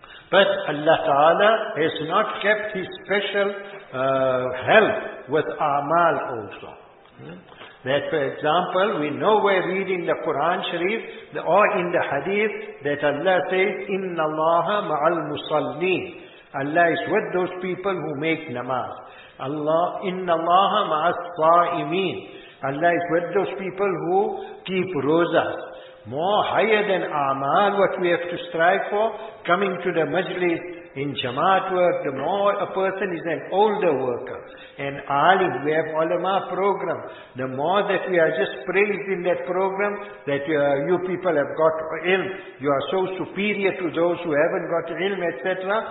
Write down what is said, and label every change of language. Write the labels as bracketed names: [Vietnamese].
[English] But Allah Ta'ala has not kept his special help with amal also. That, for example, we know we're reading the Quran Sharif or in the Hadith that Allah says, [Arabic] إِنَّ اللَّهَ مَعَ الْمُصَلِّينَ. [English] Allah is with those people who make namaz. [Arabic] Allah, إِنَّ اللَّهَ مَعَ الصَّائِمِينَ. [English] Allah is with those people who keep rozas. More higher than amal, what we have to strive for, coming to the majlis in jamaat work, the more a person is an older worker, an alim, we have ulama program, the more that we are just praised in that program, that you people have got ilm, you are so superior to those who haven't got ilm, etc.